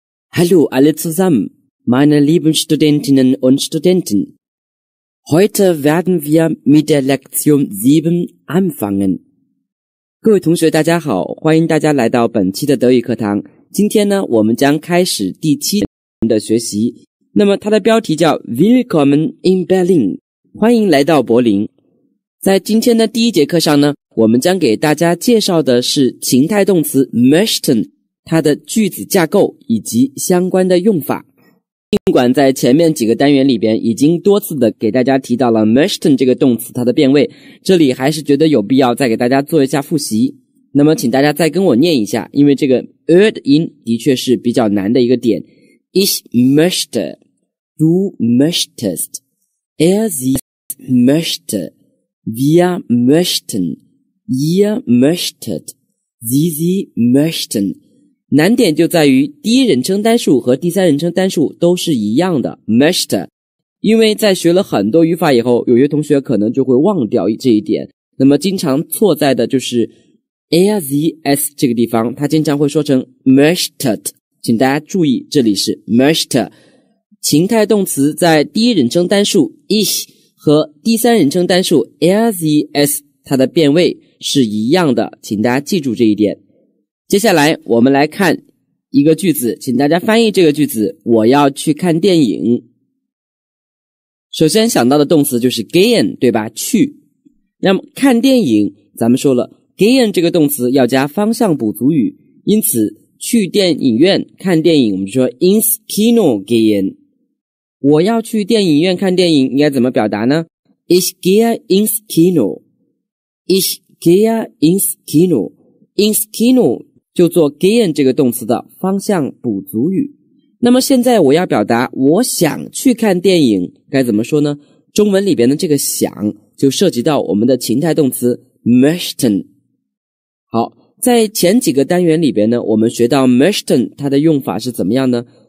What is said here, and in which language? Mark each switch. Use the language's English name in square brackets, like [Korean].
[German] Hallo alle zusammen, meine lieben Studentinnen und Studenten. Heute werden wir mit der Lektion 7 anfangen. [Chinese] 各位同学大家好，欢迎大家来到本期的德语课堂。今天呢，我们将开始第七的学习。那么它的标题叫 [German] Willkommen in Berlin， [Chinese] 欢迎来到柏林。在今天的第一节课上呢，我们将给大家介绍的是情态动词 möchten 它的句子架构以及相关的用法。尽管在前面几个单元里边已经多次的给大家提到了 möchten 这个动词它的变位，这里还是觉得有必要再给大家做一下复习。那么请大家再跟我念一下，因为这个 öd 音的确是比较难的一个点。 [German] Ich möchte, du möchtest, er sie möchte, wir möchten, ihr möchtet, sie sie möchten. [Chinese] 难点就在于第一人称单数和第三人称单数都是一样的 möchte， 因为在学了很多语法以后，有些同学可能就会忘掉这一点。那么经常错在的就是 [German] er sie es [Chinese] 这个地方，他经常会说成 möchtet。请大家注意，这里是 möchte， 情态动词在第一人称单数 ich 和第三人称单数 [German] er sie es [Chinese] 它的变位是一样的，请大家记住这一点。接下来我们来看一个句子，请大家翻译这个句子：我要去看电影。首先想到的动词就是 gehen， 对吧？去。那么看电影，咱们说了 gehen 这个动词要加方向补足语，因此去电影院看电影我们就说 [German] ins Kino gehen。 [Chinese] 我要去电影院看电影应该怎么表达呢？ [German] Ich gehe ins Kino， Ich gehe ins Kino， ins Kino [Chinese] 就做 gehen 这个动词的方向补足语。那么现在我要表达我想去看电影该怎么说呢？中文里边的这个想就涉及到我们的情态动词 möchten。好，在前几个单元里边呢，我们学到 möchten 它的用法是怎么样呢？